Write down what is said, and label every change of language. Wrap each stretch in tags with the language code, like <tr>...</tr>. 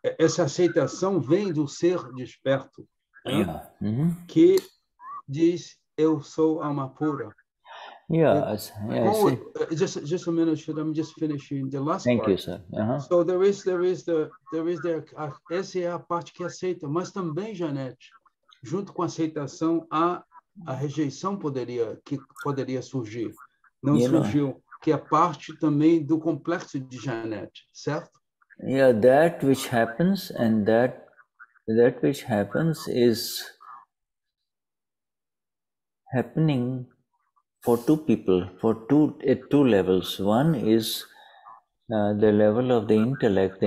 <pt>Essa aceitação vem do ser desperto, que diz: eu sou alma pura.</pt> <en>Just a minute, should I just finish in the last Thank part? Thank you, sir. Uh-huh.</en> <pt>So essa é a parte que aceita, mas também, Janete, junto com a aceitação, a rejeição poderia surgir. Não you surgiu, know. Que é parte também do complexo de Janete, certo?</pt> <en>Yeah, that which happens and that which happens is happening for two people, for two at two levels. One is the level of the intellect.</en>